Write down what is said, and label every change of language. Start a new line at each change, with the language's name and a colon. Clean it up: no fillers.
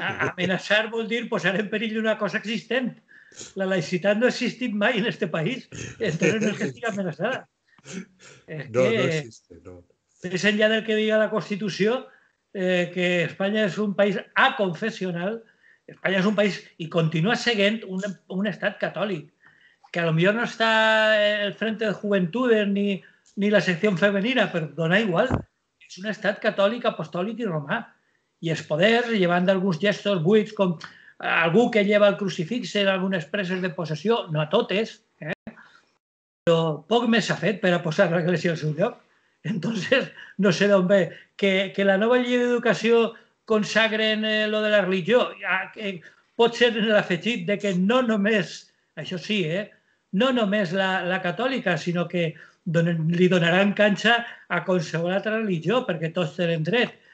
Catalan: Amenaçar vol dir posar en perill una cosa existent. La laïcitat no ha existit mai en este país. Entonces no és que estigui amenaçada.
Spanish: No existe.
Catalan: Més enllà del que diga la Constitució, que Espanya és un país aconfessional, Espanya és un país i continua seguint un estat catòlic.
Spanish: Que a lo mejor no está el Frente de Juventudes ni la sección femenina, pero dona igual.
Catalan: Es un estat catòlic, apostòlic i romà. I els poders, llevant alguns gestos buits, com algú que lleva el crucifix en algunes preses de possessió, no a totes, però poc més s'ha fet per a posar l'Església al seu lloc. Entonces, no sé d'on ve. Que la nova llei d'educació consagren lo de la religió, pot ser en l'afegit de que no només, això sí, no només la catòlica, sinó que li donaran canxa a qualsevol altra religió, perquè tots tenen dret.